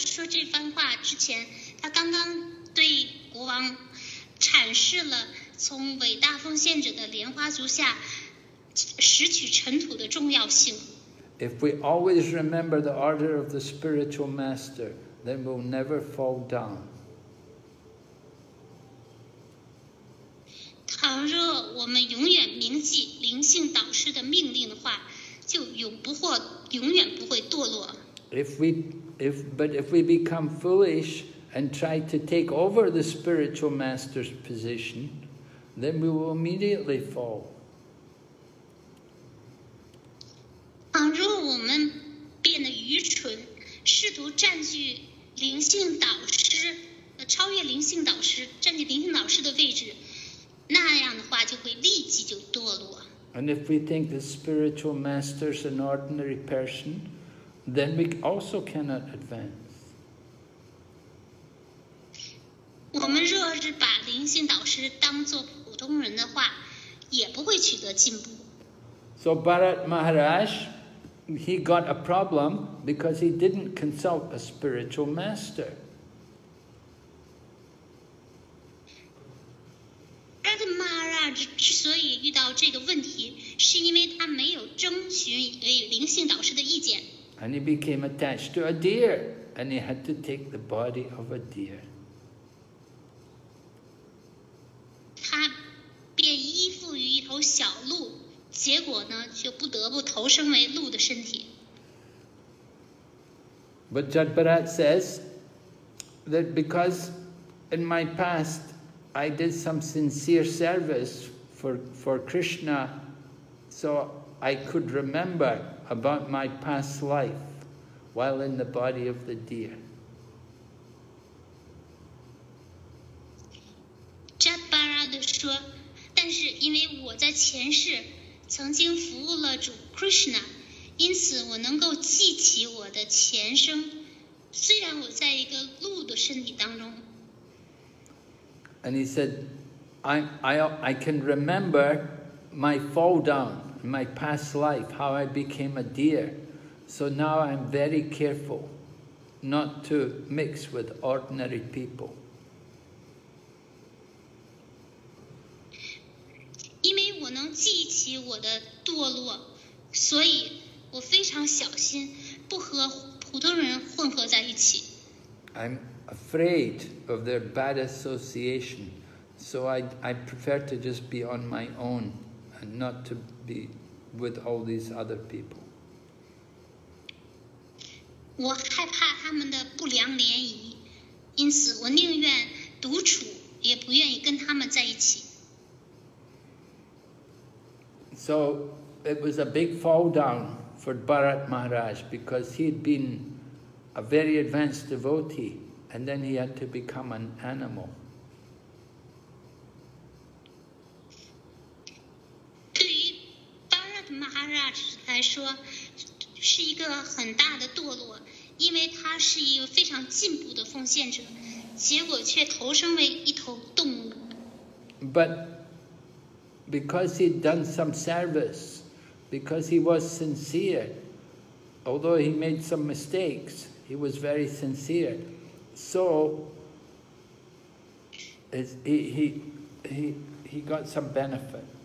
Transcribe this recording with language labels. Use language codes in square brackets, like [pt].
[zh] 这番话之前，他刚刚对国王阐释了从伟大奉献者的莲花足下拾取尘土的重要性。 [en] If we always remember the order of the spiritual master, then we'll never fall down. [zh] 倘若我们永远铭记灵性导师的命令的话，就永远不会堕落。 [en] If we become foolish and try to take over the spiritual master's position, then we will immediately fall. [zh] 倘若我们变得愚蠢，试图占据灵性导师，超越灵性导师，占据灵性导师的位置，那样的话就会立即就堕落。 [en] And if we think the spiritual master is an ordinary person,then we also cannot advance. [zh] 我们若是把灵性导师当作普通人的话，也不会取得进步。 [en] So Bharat Maharaj, he got a problem because he didn't consult a spiritual master. [zh] Bharat Maharaj 之所以遇到这个问题，是因为他没有征询灵性导师的意见。 [en] And he became attached to a deer, and he had to take the body of a deer. [zh] 他便依附于一头小鹿，结果呢，就不得不投生为鹿的身体。 [en] But Jadbharat says that because in my past I did some sincere service for Krishna, so I could remember about my past life. While in the body of the deer. [zh] Jadbharat 说，但是因为我在前世曾经服务了主 Krishna， 因此我能够记起我的前生，虽然我在一个鹿的身体当中。 [en] And he said, I can remember my fall down, my past life, how I became a deer. So now I'm very careful not to mix with ordinary people. [zh] 因为我能记起我的堕落，所以我非常小心不和普通人混合在一起。 [en] I'm afraid of their bad association, so I prefer to just be on my own and not to be with all these other people. [zh] 我害怕他们的不良联谊，因此我宁愿独处，也不愿意跟他们在一起。 [en] So it was a big fall down for Bharat Maharaj because he had been a very advanced devotee, and then he had to become an animal. [zh] 对于 Bharat Maharaj 来说，是一个很大的堕落。因为他是一个非常进步的奉献者，结果却投生为一头动物。 [en] But because he'd done some service, because he was sincere, although he made some mistakes, he was very sincere. So he got some benefit.